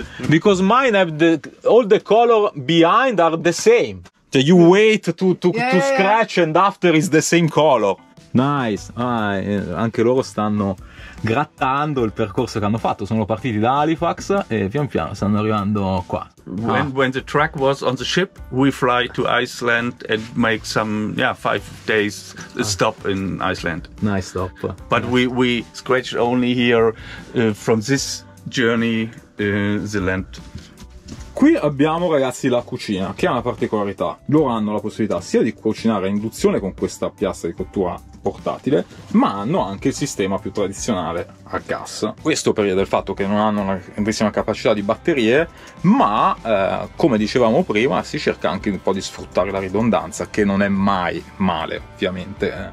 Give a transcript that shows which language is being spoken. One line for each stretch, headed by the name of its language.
English: Because mine have all the color behind are the same. So you wait to scratch and after is the same color. Nice.
Italian: Anche loro stanno grattando il percorso che hanno fatto. Sono partiti da Halifax e pian piano stanno arrivando qua.
English: When the truck was on the ship, we fly to Iceland and make some 5 days stop in Iceland. Nice stop. But we scratched only here from this journey the land.
Italian: Qui abbiamo, ragazzi, la cucina, che è una particolarità. Loro hanno la possibilità sia di cucinare a induzione con questa piastra di cottura portatile, ma hanno anche il sistema più tradizionale a gas. Questo per via del fatto che non hanno una grandissima capacità di batterie, ma come dicevamo prima, si cerca anche un po' di sfruttare la ridondanza, che non è mai male, ovviamente.